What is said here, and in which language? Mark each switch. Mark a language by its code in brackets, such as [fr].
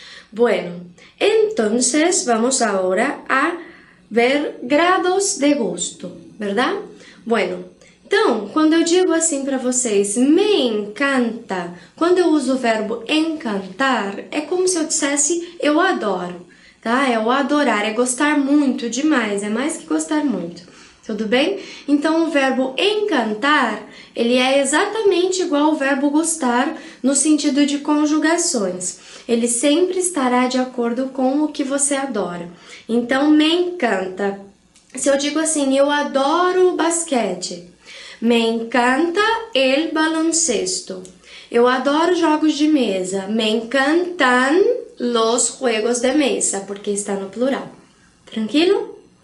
[es] Bueno, entonces vamos ahora a ver grados de gusto, ¿verdad? Bueno, entonces cuando yo digo así para ustedes, me encanta, cuando yo uso el verbo encantar, es como si yo dijese, yo adoro, ¿tá? Es adorar, es gostar mucho, [pt] demais, [es] es más que gostar mucho. [pt] Tudo bem? Então, o verbo encantar, ele é exatamente igual ao verbo gostar no sentido de conjugações. Ele sempre estará de acordo com o que você adora. Então, [es] me encanta. [pt] Se eu digo assim, eu adoro o basquete. [es] Me encanta el baloncesto. [pt] Eu adoro jogos de mesa. [es] Me encantan los juegos de mesa, [pt] porque está no plural. [es] Tranquilo?